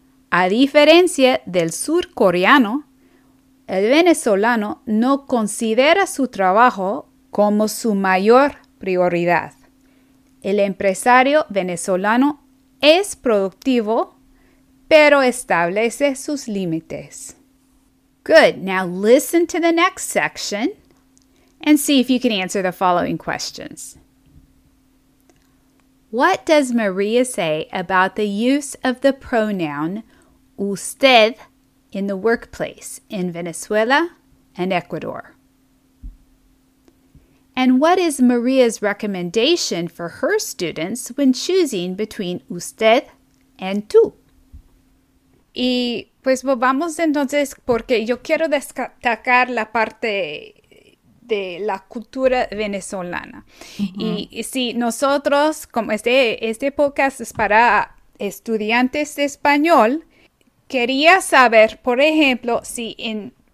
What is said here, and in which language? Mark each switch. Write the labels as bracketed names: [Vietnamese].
[Spanish] A diferencia del surcoreano, el venezolano no considera su trabajo como su mayor prioridad. El empresario venezolano es productivo, pero establece sus límites. [English] Good, now listen to the next section and see if you can answer the following questions. What does Maria say about the use of the pronoun usted in the workplace in Venezuela and Ecuador? And what is Maria's recommendation for her students when choosing between usted and tú? [Spanish] Y pues volvamos entonces, porque yo quiero destacar la parte de la cultura venezolana. Y si nosotros, como este podcast es para estudiantes de español, quería saber, por ejemplo, si en